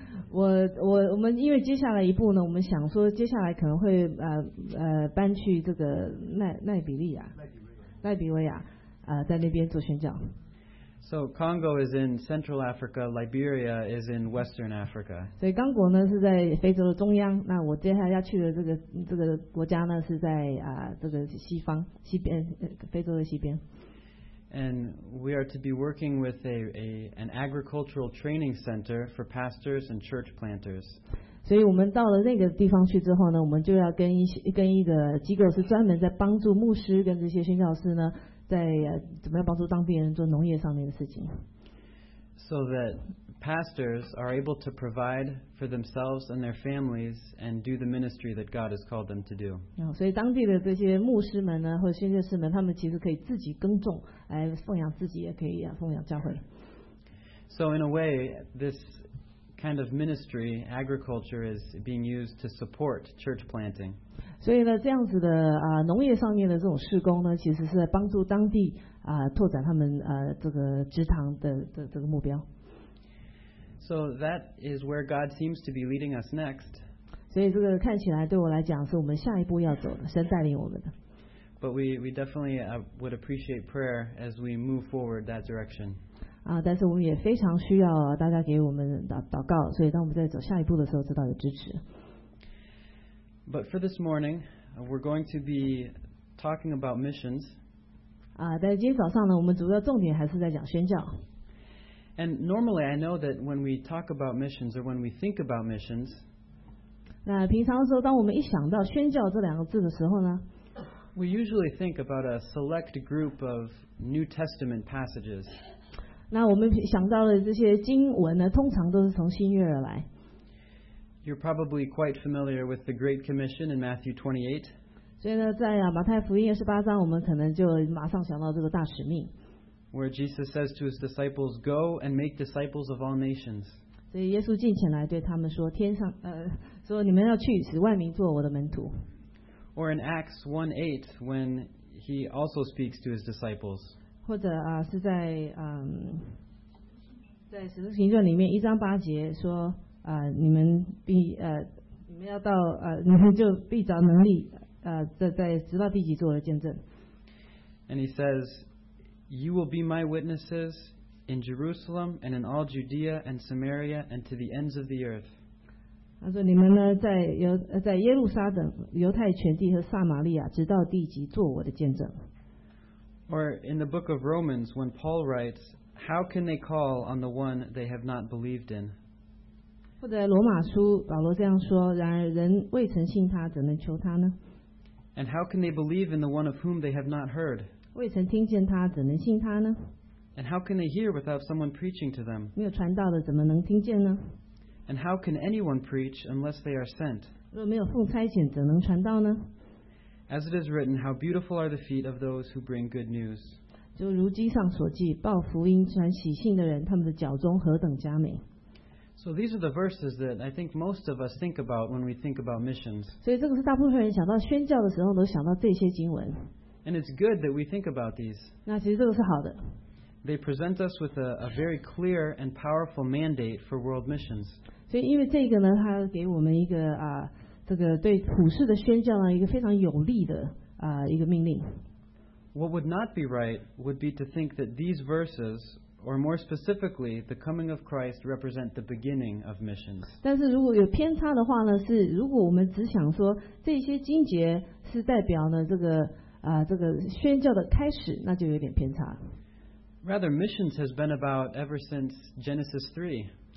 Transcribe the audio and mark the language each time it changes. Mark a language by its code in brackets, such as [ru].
[zh] 我们因为接下来一步呢，我们想说接下来可能会搬去这个奈比利亚，在那边做宣教。 [en] So Congo is in Central Africa. Liberia is in Western Africa. [zh] 所以刚果呢是在非洲的中央。那我接下来要去的这个国家呢是在这个西方西边非洲的西边。 [en] And we are to be working with an agricultural training center for pastors and church planters. [zh] 所以我们到了那个地方去之后呢，我们就要跟一个机构是专门在帮助牧师跟这些宣教士呢。在怎么样帮助当地人做农业上面的事情 [en] ，so that pastors are able to provide for themselves and their families and do the ministry that God has called them to do。 [zh] 所以当地的这些牧师们呢，或者宣教士们，他们其实可以自己耕种，来奉养自己，也可以奉养教会。 [en] So in a way, this kind of ministry, agriculture, is being used to support church planting。 [zh] 所以呢，这样子的农业上面的这种事工呢，其实是在帮助当地拓展他们这个职堂的这个目标。 [en] So that is where God seems to be leading us next. [zh] 所以这个看起来对我来讲是我们下一步要走的，神带领我们的。 [en] But we definitely would appreciate prayer as we move forward that direction. [zh] 但是我们也非常需要大家给我们祷告，所以当我们在走下一步的时候，知道有支持。 [en] But for this morning, we're going to be talking about missions. [zh] 但今天早上呢，我们主要重点还是在讲宣教。 [en] And normally, I know that when we talk about missions or when we think about missions, [zh] 那平常的时候，当我们一想到宣教这两个字的时候呢 [en] ，we usually think about a select group of New Testament passages. [zh] 那我们想到的这些经文呢，通常都是从新约而来。 [en] You're probably quite familiar with the Great Commission in Matthew 28. [zh] 所以呢，在马太福音二十八章，我们可能就马上想到这个大使命。 [en] Where Jesus says to his disciples, "Go and make disciples of all nations." [zh] 所以耶稣进前来对他们说，天上说你们要去，使万民做我的门徒。 Or in Acts 1:8, when he also speaks to his disciples. 或者是在在使徒行传里面一章八节说你们必你们要到你们就必着能力。在直到地极做了见证。 [en] And he says, "You will be my witnesses in Jerusalem and in all Judea and Samaria and to the ends of the earth." [zh] 他说：“你们呢，在耶路撒冷、犹太全地和撒玛利亚，直到地极做我的见证。” [en] Or in the book of Romans, when Paul writes, "How can they call on the one they have not believed in?" [zh] 或者罗马书保罗这样说：“然而人未曾信他，怎能求他呢？” [en] And how can they believe in the one of whom they have not heard? [zh] 未曾听见他，怎能信他呢？ [en] And how can they hear without someone preaching to them? [zh] 没有传道的，怎么能听见呢？ [en] And how can anyone preach unless they are sent? [zh] 若没有奉差遣，怎能传道呢？ [en] As it is written, how beautiful are the feet of those who bring good news. [zh] 就如经上所记，报福音、传喜信的人，他们的脚中何等佳美。 [en] So these are the verses that I think most of us think about when we think about missions. [zh] 所以这个是大部分人想到宣教的时候都想到这些经文。 [en] And it's good that we think about these. [zh] 那其实这个是好的。 [en] They present us with a very clear and powerful mandate for world missions. [zh] 所以因为这个呢，它给我们一个这个对普世的宣教呢一个非常有力的一个命令。 [en] What would not be right would be to think that these verses. Or more specifically, the coming of Christ represent the beginning of missions. [zh] 但是如果有偏差的话呢，是如果我们只想说这些经节是代表呢这个宣教的开始，那就有点偏差。 [en] Rather, missions has been about ever since Genesis 3.